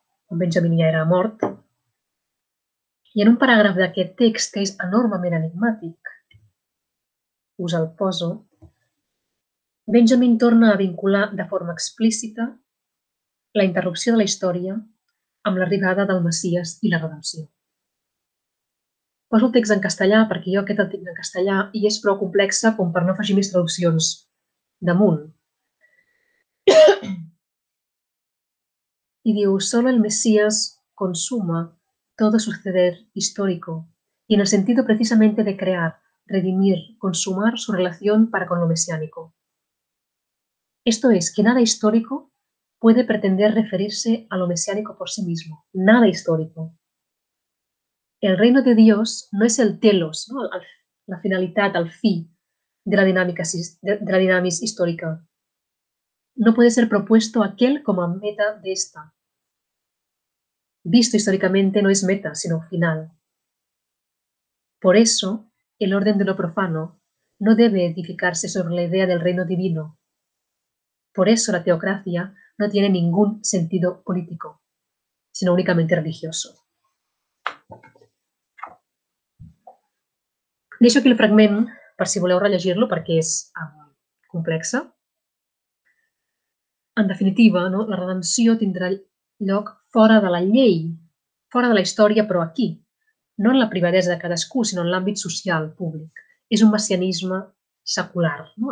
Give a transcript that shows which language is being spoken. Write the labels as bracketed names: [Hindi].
[Catalan] on Benjamin ja era mort. I en un paràgraf d'aquest text, que és enormement enigmàtic, us el poso, Benjamin torna a vincular de forma explícita la interrupció de la història amb l'arribada del Messies i la redempció. Poso el text en castellà perquè jo aquest el tinc en castellà i és prou complexa com per no afegir més traduccions damunt. I diu, [Spanish] solo el Messias consuma todo suceder histórico y en el sentido precisamente de crear, redimir, consumar su relación para con lo mesiánico. Esto es, que nada histórico puede pretender referirse a lo mesiánico por sí mismo. Nada histórico. El reino de Dios no es el telos, ¿no? La finalidad, el fi de la dinámica de la dinámica histórica. No puede ser propuesto aquel como meta de esta. Visto históricamente, no es meta, sino final. Por eso, el orden de lo profano no debe edificarse sobre la idea del reino divino. Por eso, la teocracia no tiene ningún sentido político, sino únicamente religioso. [Catalan] Deixo aquí el fragment per si voleu rellegir-lo perquè és complexa. En definitiva, no? La redempció tindrà lloc fora de la llei, fora de la història, però aquí. No en la privadesa de cadascú, sinó en l'àmbit social, públic. És un messianisme secular, no?